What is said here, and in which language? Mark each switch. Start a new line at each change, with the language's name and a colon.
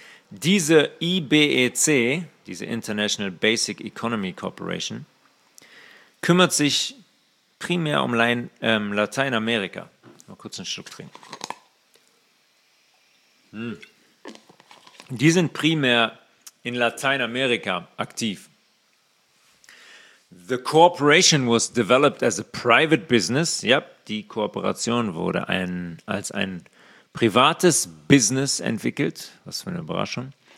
German: Diese IBEC, diese International Basic Economy Corporation, kümmert sich primär um Lateinamerika. Mal kurz einen Schluck trinken. Die sind primär in Lateinamerika aktiv.
English: The corporation was developed as a private business.
German: Ja, yep, die Kooperation wurde als ein privates Business entwickelt. Was für eine Überraschung.